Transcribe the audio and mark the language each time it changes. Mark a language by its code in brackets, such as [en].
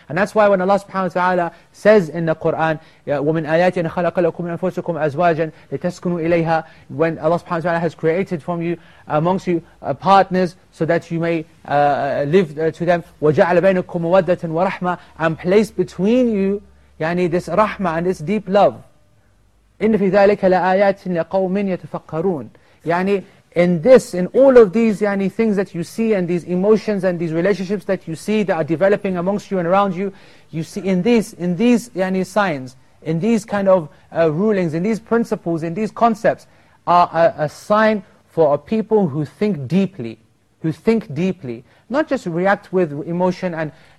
[en] And that's why when Allah Subhanahu wa Taala says in the Quran, [ar] "ومن آياتنا خلق لكم من أنفسكم أزواجا لتسكنوا إليها," [en] when Allah Subhanahu wa Taala has created from you amongst you partners so that you may live to them, [ar] "وجعل بينكم مودة ورحمة," [en] and placed between you, yani this rahma and this deep love. [ar] إن في ذلك لآيات لقوم يتفكرون. [en] Yani in this, in all of these yani things that you see and these emotions and these relationships that you see that are developing amongst you and around you, you see in these yani signs, in these kind of rulings, in these principles, in these concepts, are a sign for a people who think deeply, who think deeply, not just react with emotion and